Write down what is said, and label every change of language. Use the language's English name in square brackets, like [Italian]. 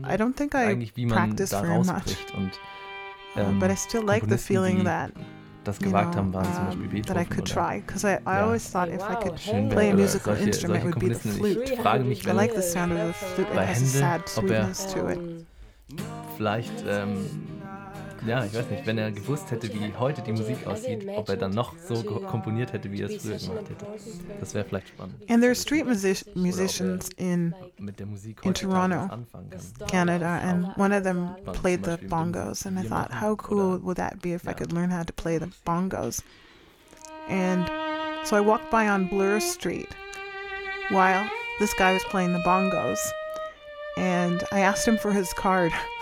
[English] I don't think I practiced very much. But I still like the feeling that, you know, that I could try. Because I always thought if I could play a musical instrument, it would be the flute. I like the sound of the flute. It has a sad sweetness to it. [German] Vielleicht... Ja, ich weiß nicht, wenn er gewusst hätte, wie heute die Musik aussieht, ob er dann noch so komponiert hätte, wie er es früher gemacht hätte. Das wäre vielleicht spannend. [English] And there are street musicians in Toronto, Canada, and one of them played the bongos, and I thought, how cool would that be if I could learn how to play the bongos? And so I walked by on Bloor Street while this guy was playing the bongos, and I asked him for his card.